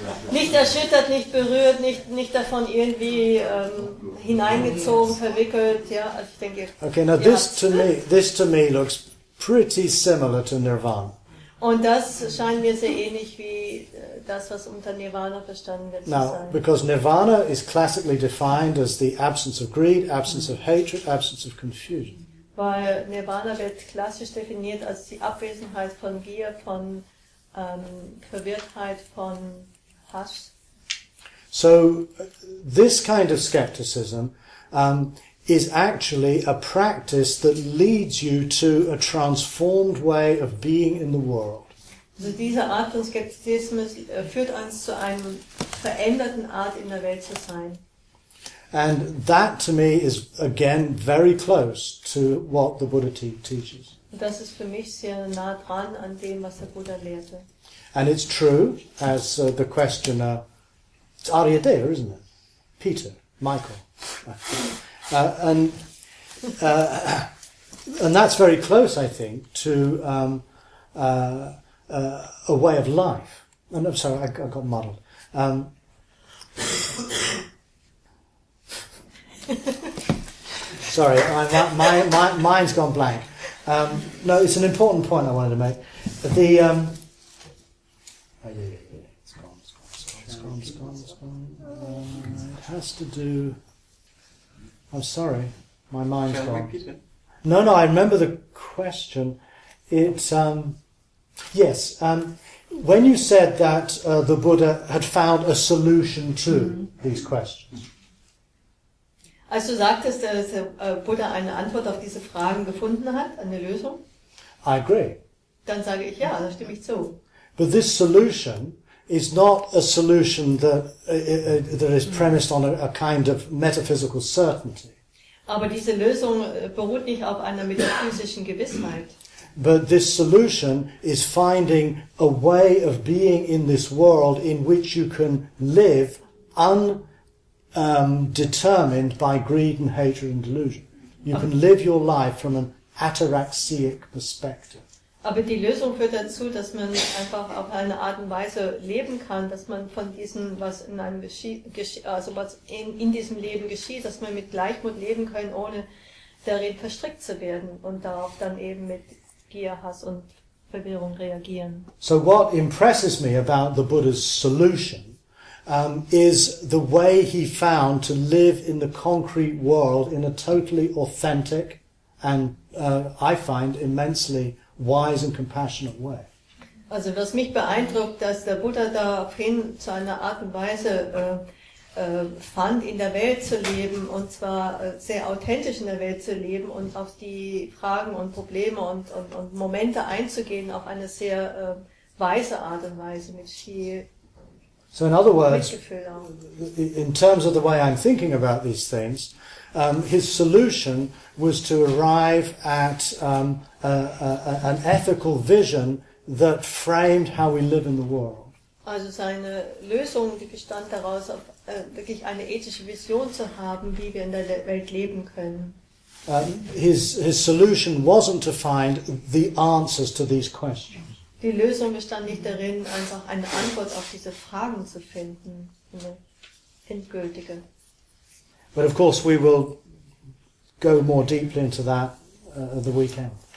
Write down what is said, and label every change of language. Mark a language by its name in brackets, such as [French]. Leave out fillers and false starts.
[German] Nicht erschüttert, nicht berührt, nicht davon irgendwie hineingezogen, verwickelt. Ja, ich denke. [English] Okay, now this to me looks pretty similar to Nirvana. [German] Und das scheint mir sehr ähnlich wie das, was unter Nirvana verstanden wird. [English] Now, because Nirvana is classically defined as the absence of greed, absence of hatred, absence of confusion. [German] Weil Nirvana wird klassisch definiert als die Abwesenheit von Gier, von Verwirrtheit, von Hass. [English] So, this kind of skepticism is actually a practice that leads you to a transformed way of being in the world. [German] So diese Art von Skeptizismus führt uns zu einem veränderten Art in der Welt zu sein. [English] And that to me is again very close to what the Buddha teaches. [German] Das ist für mich sehr nah dran an dem, was der Buddha lehrte. [English] And it's true, as the questioner, it's Aryadeva, isn't it? Peter, Michael. And that's very close, I think, to a way of life. And I'm sorry, I got muddled. sorry, my mind's gone blank. No, it's an important point I wanted to make. It has to do. I'm sorry, my mind's gone. No, I remember the question. It's, yes, when you said that the Buddha had found a solution to these questions. [German] Als du sagtest, dass der Buddha eine Antwort auf diese Fragen gefunden hat, eine Lösung. [English] I agree. [German] Dann sage ich, ja, da stimme ich zu. [English] But this solution is not a solution that is premised on a kind of metaphysical certainty. [German] Aber diese Lösung beruht nicht auf einer metaphysischen Gewissheit. [English] But this solution is finding a way of being in this world in which you can live undetermined by greed and hatred and delusion. You can live your life from an ataraxic perspective. [German] Aber die Lösung führt dazu, dass man einfach auf eine Art und Weise leben kann, dass man von diesem, was in einem was in diesem Leben geschieht, dass man mit Gleichmut leben kann, ohne darin verstrickt zu werden und darauf dann eben mit Gier, Hass und Verwirrung reagieren. [English] So what impresses me about the Buddha's solution is the way he found to live in the concrete world in a totally authentic and I find immensely wise and compassionate way. [German] Also, was mich beeindruckt, dass der Buddha daraufhin zu einer Art und Weise fand, in der Welt zu leben, und zwar sehr authentisch in der Welt zu leben und auf die Fragen und Probleme und Momente einzugehen auf eine sehr weise Art und Weise mit viel. [English] So, in other words, in terms of the way I'm thinking about these things, his solution was to arrive at an ethical vision that framed how we live in the world. [German] Also seine Lösung, die bestand daraus, wirklich eine ethische Vision zu haben, wie wir in der Welt leben können. [English] His solution wasn't to find the answers to these questions. [German] Die Lösung bestand nicht darin, einfach eine Antwort auf diese Fragen zu finden, eine endgültige. [English] But of course we will go more deeply into that at the weekend.